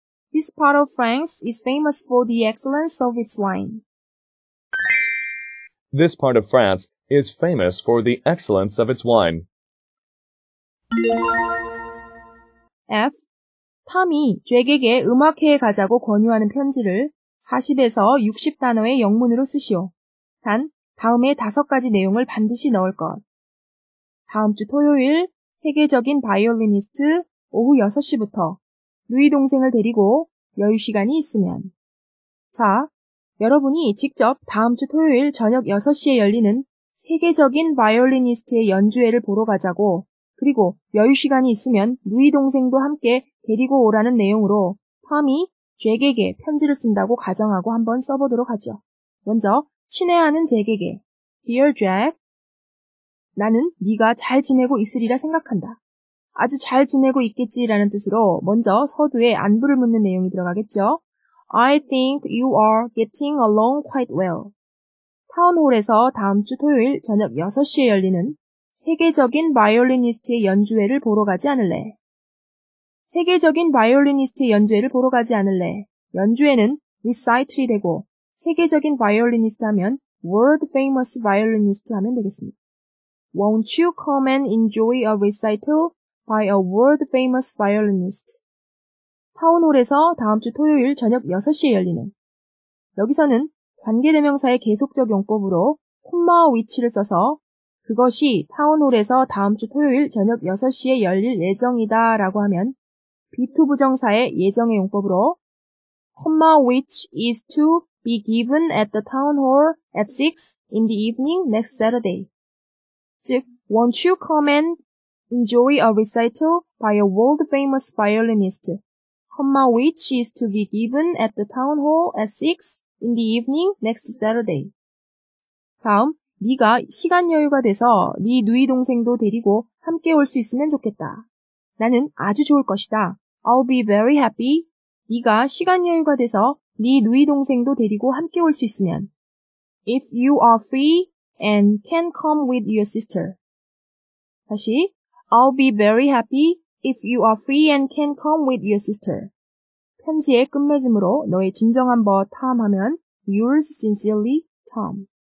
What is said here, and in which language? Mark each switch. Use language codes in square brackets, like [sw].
[en] This part of France is famous for the excellence of its wine. This part of France is famous for the excellence of its wine. F. [ko] 탐이 잭에게 음악회에 가자고 권유하는 편지를 40에서 60단어의 영문으로 쓰시오. 단, 다음에 5가지 내용을 반드시 넣을 것. 다음 주 토요일, 세계적인 바이올리니스트 오후 6시부터 루이 동생을 데리고 여유 시간이 있으면. 자, 여러분이 직접 다음 주 토요일 저녁 6시에 열리는 세계적인 바이올리니스트의 연주회를 보러 가자고 그리고 여유 시간이 있으면 루이 동생도 함께 데리고 오라는 내용으로 탐이 잭에게 편지를 쓴다고 가정하고 한번 써보도록 하죠. 먼저 친애하는 잭에게 [en] Dear Jack, [ko] 나는 네가 잘 지내고 있으리라 생각한다. 아주 잘 지내고 있겠지라는 뜻으로 먼저 서두에 안부를 묻는 내용이 들어가겠죠. [en] I think you are getting along quite well. [ko] 타운홀에서 다음 주 토요일 저녁 6시에 열리는 세계적인 바이올리니스트의 연주회를 보러 가지 않을래? 세계적인 바이올리니스트의 연주회를 보러 가지 않을래? 연주회는 recital이 되고 세계적인 바이올리니스트 하면 [en] world famous violinist [ko] 하면 되겠습니다. [en] Won't you come and enjoy a recital by a world famous violinist? [ko] 타운홀에서 다음 주 토요일 저녁 6시에 열리는. 여기서는 관계대명사의 계속적용법으로 콤마 위치를 써서 그것이 타운홀에서 다음 주 토요일 저녁 6시에 열릴 예정이다 라고 하면 be-to 부정사의 예정의 용법으로 콤마 [en] which is to be given at the town hall at 6 in the evening next Saturday. 즉, won't you come and enjoy a recital by a world-famous violinist, comma which is to be given at the town hall at 6 in the evening next Saturday. [ko] 다음, 네가 시간 여유가 돼서 네 누이 동생도 데리고 함께 올 수 있으면 좋겠다. 나는 아주 좋을 것이다. [en] I'll be very happy. [ko] 네가 시간 여유가 돼서 네 누이 동생도 데리고 함께 올 수 있으면. [en] If you are free and can come with your sister. [ko] 다시. [en] I'll be very happy if you are free and can come with your sister. [ko] 편지의 끝맺음으로 너의 진정한 버 Tom 하면 [en] Yours sincerely, Tom.